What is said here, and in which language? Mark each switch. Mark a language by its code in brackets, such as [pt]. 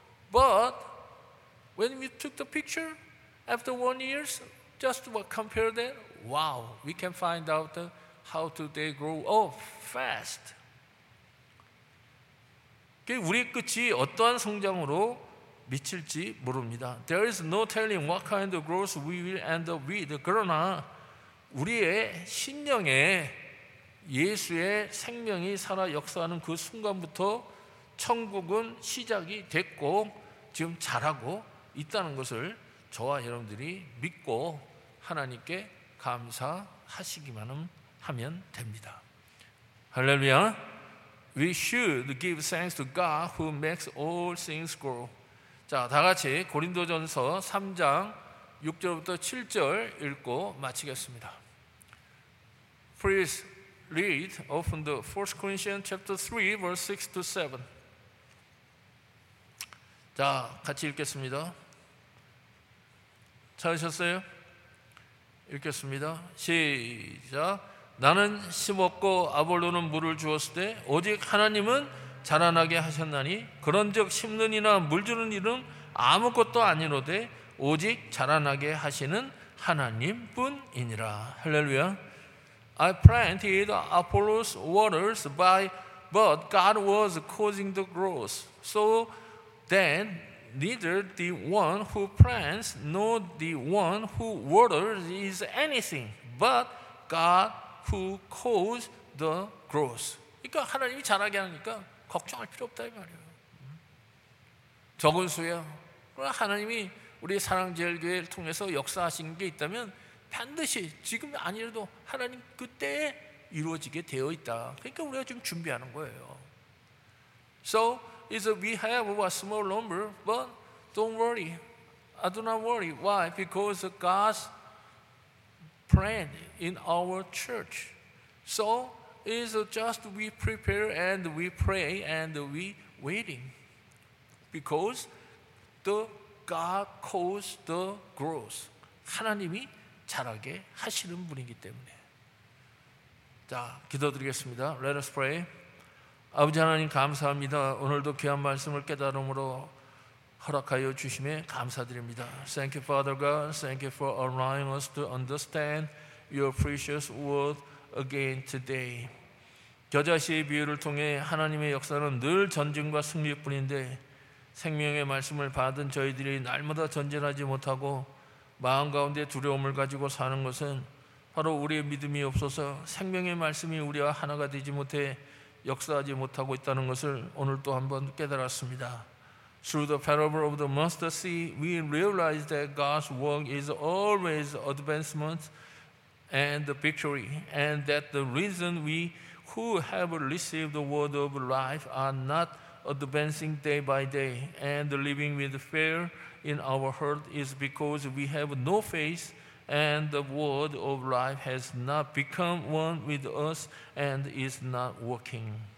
[en] But when we took the picture after 1 year, just what compare that, wow, we can find out how do they grow up fast. [ko] 우리 끝이 어떠한 성장으로 미칠지 모릅니다. [en] There is no telling what kind of growth we will end up with. [ko] 그러나 우리의 신령에 예수의 생명이 살아 역사하는 그 순간부터 천국은 시작이 됐고 지금 잘하고 있다는 것을 저와 여러분들이 믿고 하나님께 감사하시기만 하면 됩니다. 할렐루야! [en] We should give thanks to God who makes all things grow. [ko] 자, 다 같이 고린도전서 3장 6절부터 7절 읽고 마치겠습니다. [en] Please read open the 1 Corinthians chapter 3 verse 6 to 7. [ko] 자, 같이 읽겠습니다. 찾으셨어요? 읽겠습니다. 시작. 나는 심었고 아볼로는 물을 주었을 때 오직 하나님은 자라나게 하셨나니 그런즉 심는 이나 물 주는 이는 아무것도 아니로되 오직 자라나게 하시는 하나님뿐이니라. 할렐루야. [en] I planted Apollos waters but God was causing the growth. So then neither the one who plants nor the one who waters is anything but God who caused the growth. [ko] 그러니까 하나님이 자라게 하니까 걱정할 필요 없다 이 말이에요. 적은 수야. 그러나 하나님이 우리 사랑제일교회를 통해서 역사하신 게 있다면 반드시 지금 아니라도 하나님 그때에 이루어지게 되어 있다. 그러니까 우리가 지금 준비하는 거예요. [en] So is we have a small number, but don't worry. I do not worry. Why? Because God's plan in our church. So is just we prepare and we pray and we waiting. Because the God caused the growth. [ko] 하나님이 자라게 하시는 분이기 때문에. 자, 기도드리겠습니다. [en] Let us pray. [ko] 아버지 하나님 감사합니다. 오늘도 귀한 말씀을 깨달음으로 허락하여 주심에 감사드립니다. [en] Thank you, Father God. Thank you for allowing us to understand your precious word again today. [ko] 겨자씨의 비유를 통해 하나님의 역사는 늘 전진과 승리뿐인데 생명의 말씀을 받은 저희들이 날마다 전진하지 못하고 마음 가운데 두려움을 가지고 사는 것은 바로 우리의 믿음이 없어서 생명의 말씀이 우리와 하나가 되지 못해 역사하지 못하고 있다는 것을 오늘 또 한번 깨달았습니다. [en] Through the parable of the mustard seed, we realize that God's work is always advancement and victory, and that the reason we who have received the word of life are not advancing day by day and living with fear in our heart is because we have no faith and the word of life has not become one with us and is not working.